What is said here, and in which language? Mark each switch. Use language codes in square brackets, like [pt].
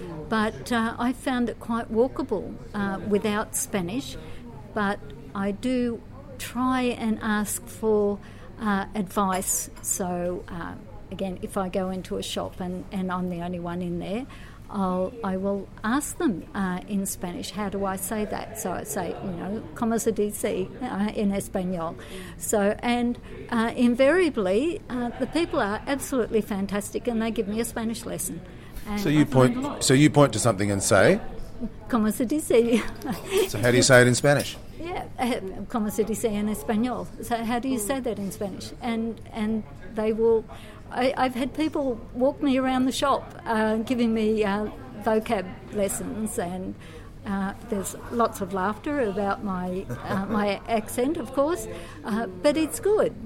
[en] But I found it quite walkable without Spanish. But I do try and ask for advice. So, again, if I go into a shop and I'm the only one in there, I will ask them in Spanish, how do I say that? So I say, you know, [es] ¿cómo se dice en español? [en] So, and invariably, the people are absolutely fantastic and they give me a Spanish lesson. So you point to something and say? [es] ¿Cómo se dice? [en] So how do you say it in Spanish? Yeah, [es] ¿cómo se dice en español? [en] So how do you say that in Spanish? And they will... I've had people walk me around the shop giving me vocab lessons, and there's lots of laughter about my my accent, of course, but it's good.